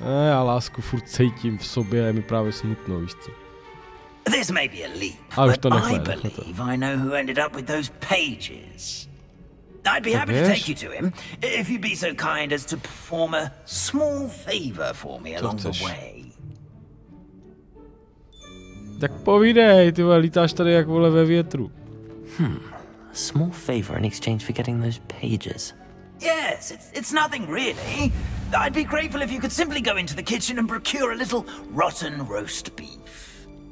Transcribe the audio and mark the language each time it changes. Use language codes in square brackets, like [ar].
[cs] Já lásku furt cítím v sobě, je mi právě smutno, víš co? [en] This may be a leap, but I believe I know who ended up with those pages. I'd be happy to take you to him, if you'd be so kind as to perform a small favor for me along the way. [cs] Tak povídej, ty vole, lítáš tady jak vole ve větru. [en] A small favor in exchange for getting those pages. Yes, it's nothing really. I'd be grateful if you could simply go into the kitchen and procure a little rotten roast beef.